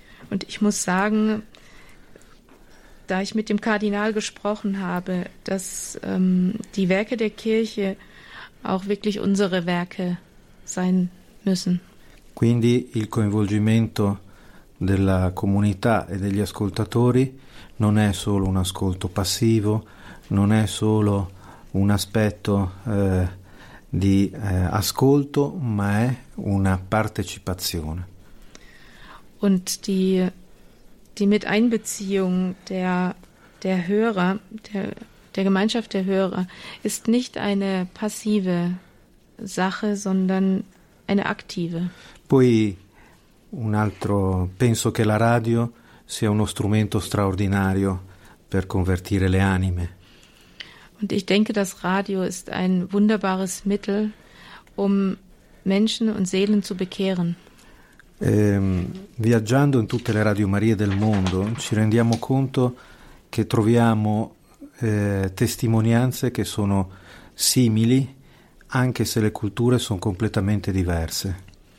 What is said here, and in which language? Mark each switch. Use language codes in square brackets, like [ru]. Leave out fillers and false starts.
[de] Und ich muss sagen, da ich mit dem Kardinal gesprochen habe, dass die Werke der Kirche auch wirklich unsere Werke sein müssen. [it] Quindi il coinvolgimento della comunità e degli ascoltatori non è solo un ascolto passivo, non è solo un aspetto di ascolto, ma è una partecipazione. [de] Und die Miteinbeziehung der Hörer, der Gemeinschaft der Hörer ist nicht eine passive Sache, sondern eine aktive. [it] Poi un altro, penso che la radio sia uno strumento straordinario per convertire le anime. [de] Und ich denke, das Radio ist ein wunderbares Mittel, Menschen und Seelen zu bekehren. [it] Viaggiando in tutte le Radio Marie del mondo, ci rendiamo conto che troviamo testimonianze che sono simili, anche se le culture sono completamente diverse.